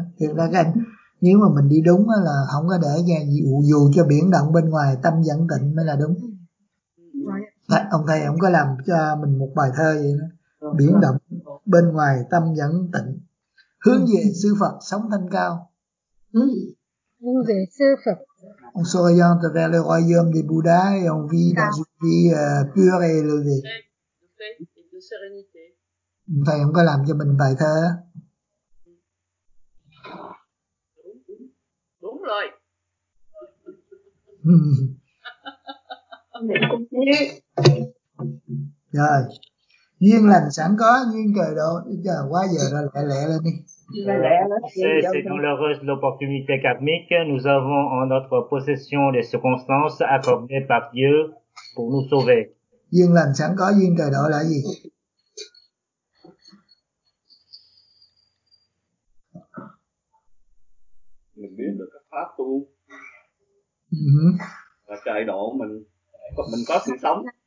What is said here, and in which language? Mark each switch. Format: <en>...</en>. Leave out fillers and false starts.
<vi>Thiệt ra cái anh, nếu mà mình đi đúng là không có để dù cho biển động bên ngoài, tâm vẫn tịnh mới là đúng. Ông thầy ông có làm cho mình một bài thơ vậy đó. Biển động bên ngoài, tâm vẫn tịnh, hướng về sư Phật sống thanh cao. Hướng về sư Phật.</vi> <fr>On s'oriente vers le royaume des Bouddhas et on vit dans une vie pure et élevée. Sérénité.</fr> <vi>Thầy không có làm cho mình bài thơ. Đúng rồi. Rồi. Duyên lành sẵn có, duyên trời độ. Giờ quá giờ rồi, lẹ lên đi.</vi> <fr>C'est une heureuse l'opportunité karmique. Nous avons en notre possession les circonstances accordées par Dieu pour nous sauver.</fr> <vi>Duyên lành sẵn có, duyên trời độ là gì? Mình biết được các pháp tu. Uh-huh. Và trời độ mình có sự sống.</vi>